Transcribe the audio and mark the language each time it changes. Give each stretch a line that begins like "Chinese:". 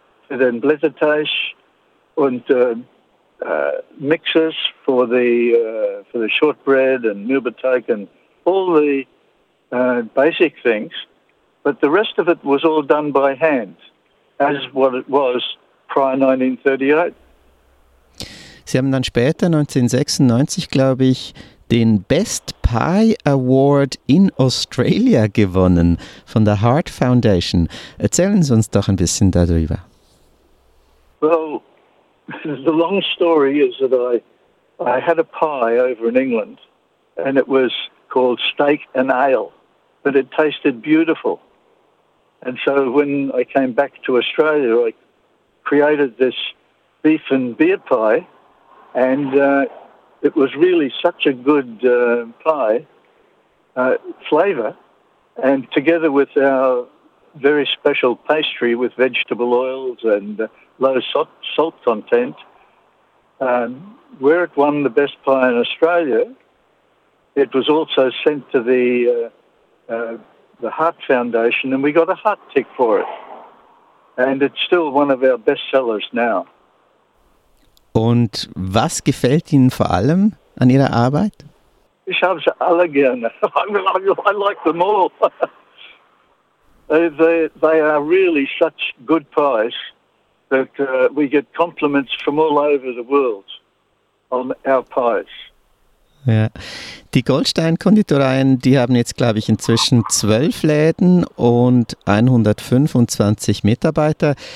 English: Then Blätterteig und mixers for the shortbread and Mürbeteig and all the basic things, but the rest of it was all done by hand, as what it was prior 1938.
German: Sie haben dann später 1996, glaube ich, den Best Pie Award in Australia gewonnen von der Heart Foundation. Erzählen Sie uns doch ein bisschen darüber.
English: Well, the long story is that I had a pie over in England, and it was called Steak and Ale, but it tasted beautiful. And so when I came back to Australia, I created this beef and beer pie, and it was really such a good pie flavor, and together with our very special pastry with vegetable oils and low salt content. Where it won the best pie in Australia, it was also sent to the Hart Foundation, and we got a Hart tick for it. And it's still one of our best sellers now.
German: Und was gefällt Ihnen vor allem an Ihrer Arbeit? Ich habe sie alle gerne.
English: I like them all. They are really such good pies that we get compliments from all over the world on our pies.
German: Ja. Die Goldstein-Konditoreien, die haben jetzt, glaube ich, inzwischen 12 Läden und 125 Mitarbeiter.